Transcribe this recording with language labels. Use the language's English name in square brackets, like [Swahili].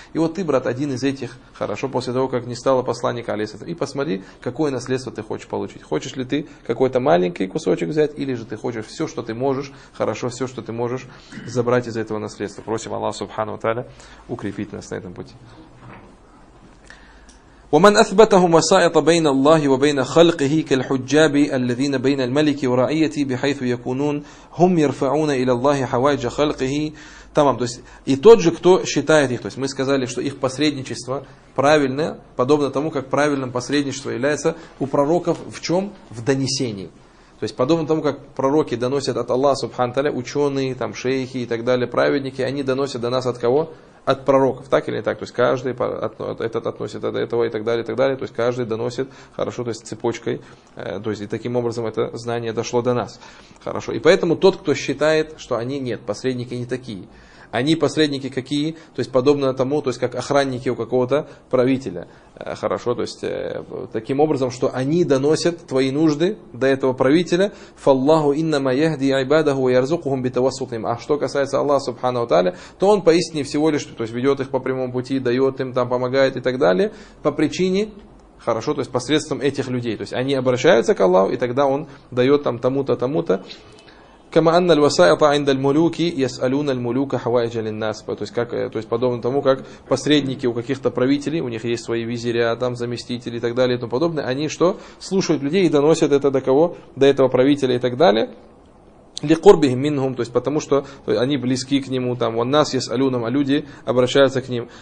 [Russian] И вот ты, брат, один из этих, хорошо, после того, как не стало посланника, алейхиссалам, и посмотри, какое наследство ты хочешь получить. Хочешь ли ты какой-то маленький кусочек взять, или же ты хочешь все, что ты можешь, хорошо, все, что ты можешь забрать из этого наследства. Просим Аллах, субхану ва тааля, укрепить нас на этом пути. [Arabic] ومن أثبته وسائط بين الله وبين خلقه كالحجاب الذين بين الملك ورعيته بحيث يكونون هم يرفعون إلى الله حوائج خلقه. [Russian] Тамам. То есть и тот же, кто считает их, то есть мы сказали, что их посредничество правильное, подобно тому, как правильным посредничество является у пророков в чем? В донесении. То есть подобно тому, как пророки доносят от Аллаха субхана ва тааля, ученые, там, шейхи и так далее, праведники, они доносят до нас от кого? от пророков, так или не так, то есть каждый этот относит от этого и так далее, то есть каждый доносит хорошо, то есть цепочкой, то есть и таким образом это знание дошло до нас. Хорошо, и поэтому тот, кто считает, что они нет, посредники не такие. Они посредники какие? То есть подобно тому, то есть как охранники у какого-то правителя. Хорошо, то есть таким образом, что они доносят твои нужды до этого правителя. [Arabic] Фаллаху иннама яхди айбадаху ярзукухум битавассутим. [Russian] А что касается Аллаха субхана ва тааля, то он поистине всего лишь, то есть ведет их по прямому пути, дает им там, помогает и так далее, по причине, хорошо, то есть посредством этих людей. То есть они обращаются к Аллаху, и тогда он дает там тому-то, тому-то. [Arabic] كما أن الوسائط عند الملوك يسألون الملوك حوائج للناس. [Russian] То есть, как, то есть подобно тому, как посредники у каких-то правителей, у них есть свои визиря, там заместители и так далее и тому подобное, они что? Слушают людей и доносят это до кого? До этого правителя и так далее. [Arabic] لقربهم منهم, [Russian] то есть потому что они близки к нему, там у нас есть алюнам, а люди обращаются к ним.